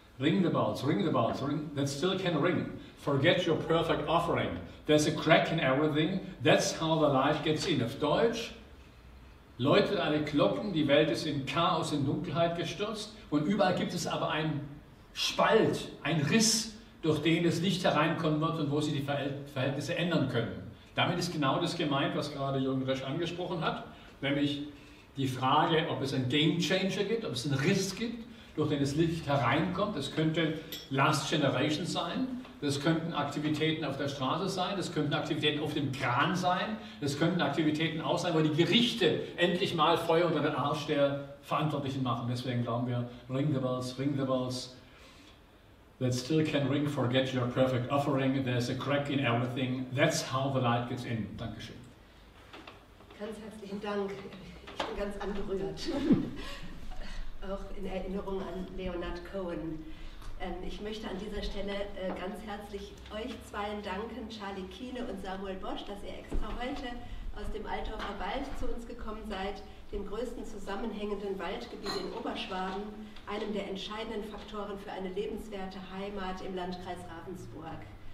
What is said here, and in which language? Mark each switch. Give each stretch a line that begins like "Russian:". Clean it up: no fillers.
English: Ring the bells, ring, that still can ring. Forget your perfect offering. There's a crack in everything. That's how the light gets in.
German: Auf Deutsch: Läutet alle Glocken, die Welt ist in Chaos, in Dunkelheit gestürzt. Und überall gibt es aber einen Spalt, einen Riss, durch den das Licht hereinkommen wird und wo sie die Verhältnisse ändern können. Damit ist genau das gemeint, was gerade Jürgen Resch angesprochen hat, nämlich die Frage, ob es einen Game Changer gibt, ob es einen Riss gibt, durch den das Licht hereinkommt. Das könnte Last Generation sein, das könnten Aktivitäten auf der Straße sein, das könnten Aktivitäten auf dem Kran sein, das könnten Aktivitäten auch sein, wo die Gerichte endlich mal Feuer unter den Arsch der Verantwortlichen machen. Deswegen glauben wir,
English: Ring the Bells, that still can ring, forget your perfect offering, there's a crack in everything, that's how the light gets in.
German: Dankeschön. Ganz herzlichen Dank, ich bin ganz angerührt. Auch in Erinnerung an Leonard Cohen. Ich möchte an dieser Stelle ganz herzlich euch zweien danken, Charlie Kiene und Samuel Bosch, dass ihr extra heute aus dem Altdorfer Wald zu uns gekommen seid, dem größten zusammenhängenden Waldgebiet in Oberschwaben, einem der entscheidenden Faktoren für eine lebenswerte Heimat im Landkreis Ravensburg.